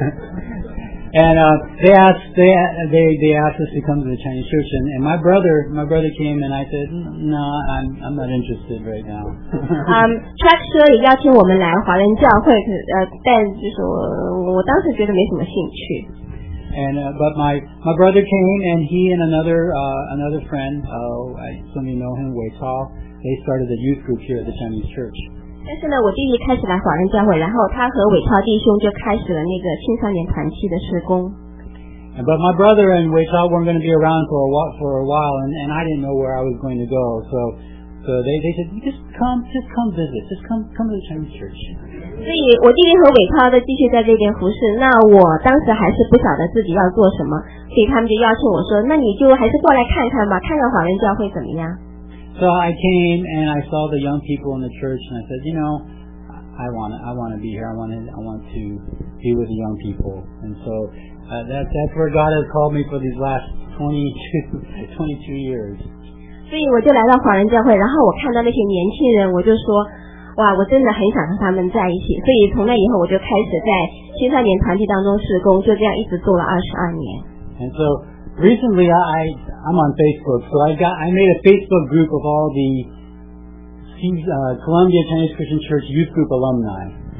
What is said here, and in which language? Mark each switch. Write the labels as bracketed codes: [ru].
[en] And they asked us to come to the Chinese church, and my brother came, and I said, no, I'm not interested right now. [zh] Chuck 说也邀请我们来华人教会，但就是我当时觉得没什么兴趣。 [en] And but my brother came, and he and another friend, some of you know him, Wei Tao, they started a youth group here at the Chinese church. [zh] 但是呢，我弟弟开始来华人教会，然后他和伟超弟兄就开始了那个青少年团契的事工。 [en] But my brother and Wei Chao weren't going to be around for a while, and I didn't know where I was going to go. So they said, just come to the Chinese church. [zh] 所以我弟弟和伟超都继续在这边服侍。那我当时还是不晓得自己要做什么，所以他们就邀请我说，那你就还是过来看看吧，看看华人教会怎么样。 [en] So I came and I saw the young people in the church and I said, you know, I want to be here. I want to be with the young people. And so that's where God has called me for these last 22 years. [zh] 所以我就来到华人教会，然后我看到那些年轻人，我就说，哇，我真的很想和他们在一起。所以从那以后，我就开始在青少年团体当中事工，就这样一直做了22年。 [en] And so. Recently, I'm on Facebook, so I made a Facebook group of all the Columbia Chinese Christian Church Youth Group alumni.